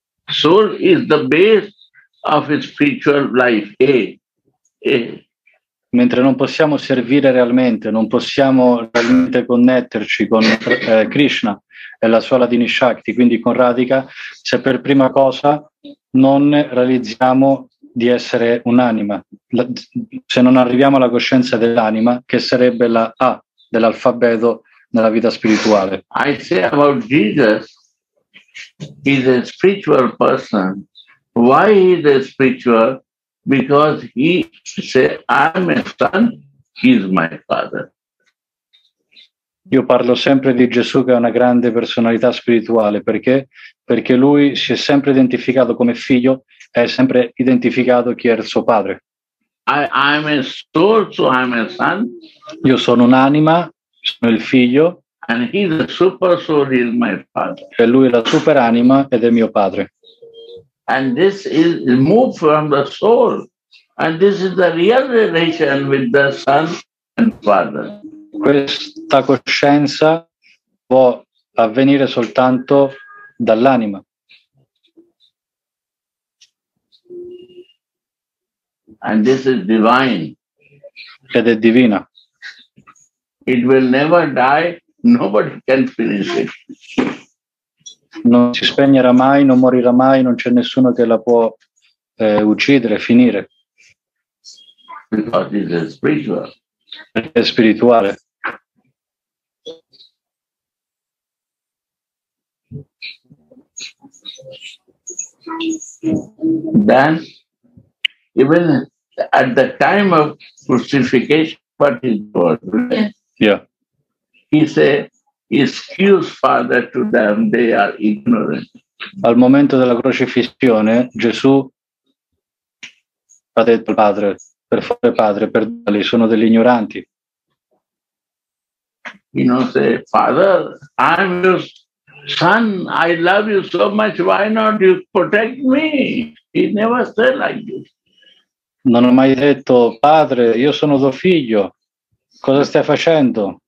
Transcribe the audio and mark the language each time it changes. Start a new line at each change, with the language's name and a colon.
English: Soul is the base of his spiritual life.
Italian: Mentre non possiamo servire realmente, non possiamo realmente connetterci con Krishna e la sua Aladini Shakti, quindi con Radhika, se per prima cosa non realizziamo di essere un'anima, se non arriviamo alla coscienza dell'anima, che sarebbe la A dell'alfabeto nella vita spirituale.
English: I say about Jesus, he's a spiritual person. Why he is a spiritual? Because he say, I'm a son, he's my father.
Italian: Io parlo sempre di Gesù che è una grande personalità spirituale. Perché? Perché lui si è sempre identificato come figlio e è sempre identificato chi è il suo padre.
English: I'm a soul, so I'm a son.
Italian: Io sono un'anima, sono il figlio.
English: And he's a super soul, he's my father.
Italian: E lui è la super anima ed è mio padre.
English: And this is moved from the soul. And this is the real relation with the son and father.
Italian: Questa coscienza può avvenire soltanto dall'anima.
English: And this is divine.
Italian: Ed è divina.
English: It will never die, nobody can finish it.
Italian: Non si spegnerà mai, non morirà mai, non c'è nessuno che la può uccidere, finire.
English: Because it is spiritual.
Italian: Perché è spirituale.
English: Then, even at the time of crucifixion, what is God? Yeah. He said, excuse Father to them, they are ignorant.
Italian: Al momento della crocifissione, Gesù ha detto al Padre, per favore Padre, perdonali, sono degli ignoranti.
English: He non say, Father, I'm just son, I love you so much, why not you protect me? He never said like this.
Italian: Non ho mai detto, padre, io sono tuo figlio, cosa stai facendo?